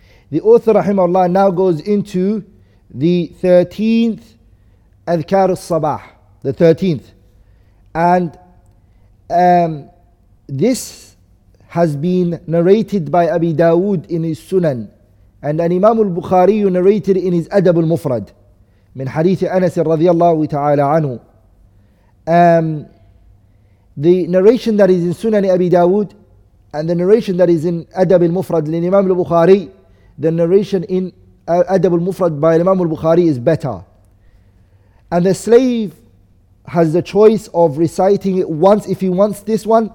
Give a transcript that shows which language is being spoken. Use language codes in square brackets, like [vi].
[en] The author rahimahullah now goes into the 13th Adhkar al-Sabah, the 13th. And this has been narrated by Abi Dawood in his Sunan, and an Imam al-Bukhari narrated in his Adab al-Mufrad. [ar] من حديث أنس رضي الله تعالى عنه. [en] The narration that is in Sunan Abi Dawood and the narration that is in Adab al-Mufrad in Imam al-Bukhari, the narration in Adab al-Mufrad by Imam al-Bukhari is better. And the slave has the choice of reciting it once if he wants this one.